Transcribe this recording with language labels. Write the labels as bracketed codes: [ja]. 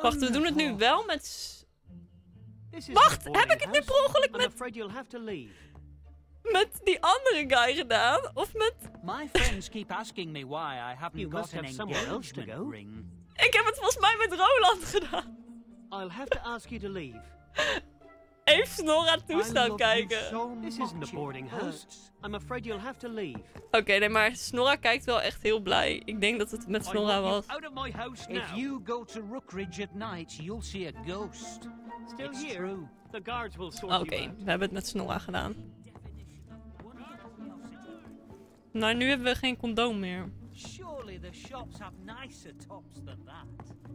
[nl] Wacht, we doen het nu wel met... Wacht, heb ik het nu per ongeluk met... Met die andere guy gedaan? Of met... [en] My friends keep asking me why I haven't you got an engagement ring. [nl] Ik heb het volgens mij met Roland gedaan. [en] I'll have to ask you to leave. [nl] Even Snorra toestaan kijken. [en] This isn't a boarding house. I'm afraid you'll have to leave. [nl] Oké, nee, maar Snorra kijkt wel echt heel blij. Ik denk dat het met Snorra was. [en] Out of my house now. If you go to Rookridge at night, you'll see a ghost. Still here. The guards will sort you out. [nl] Oké, we hebben het met Snorra gedaan. Nou, nu hebben we geen condoom meer. [en] Surely the shops have nicer tops than that.